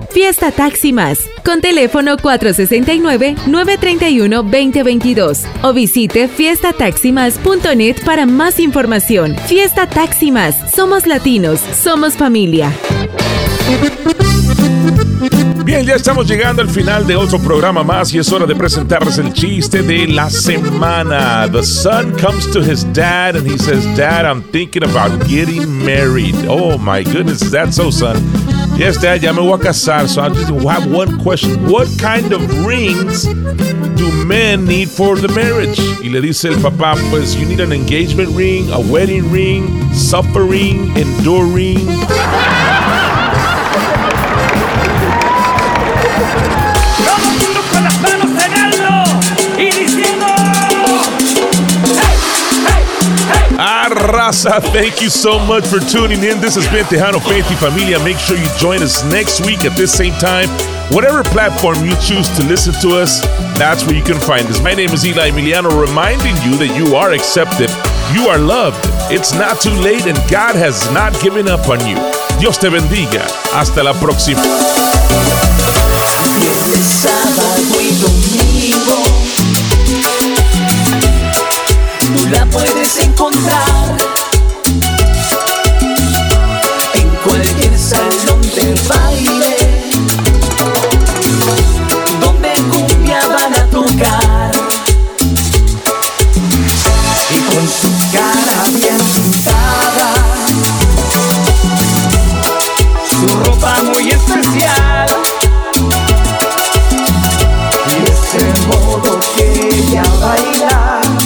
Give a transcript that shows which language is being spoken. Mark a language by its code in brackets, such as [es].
[es] Fiesta Taxi Más. Con teléfono 469-931-2022 o visite fiestataximas.net para más información. Fiesta Taxi Más. Somos latinos, somos familia. Bien, ya estamos llegando al final de otro programa más y es hora de presentarles el chiste de la semana. [en] The son comes to his dad and he says, "Dad, I'm thinking about getting married." Oh my goodness, is that so, son? Yes, dad, [es] ya me voy a casar, [en] so I just have one question. What kind of rings do men need for the marriage? [es] Y le dice el papá, pues, [en] you need an engagement ring, a wedding ring, suffering, enduring. Arrasa, thank you so much for tuning in. This has been Tejano Faith y Familia. Make sure you join us next week at this same time. Whatever platform you choose to listen to us, that's where you can find us. My name is Eli Emiliano, reminding you that you are accepted. You are loved. It's not too late, and God has not given up on you. [es] Dios te bendiga. Hasta la próxima. Viernes, sábado y domingo, con Tejano puedes encontrar en cualquier salón de baile, donde cumbia van a tocar, y con su cara bien pintada, su ropa muy especial, y ese modo que ella baila.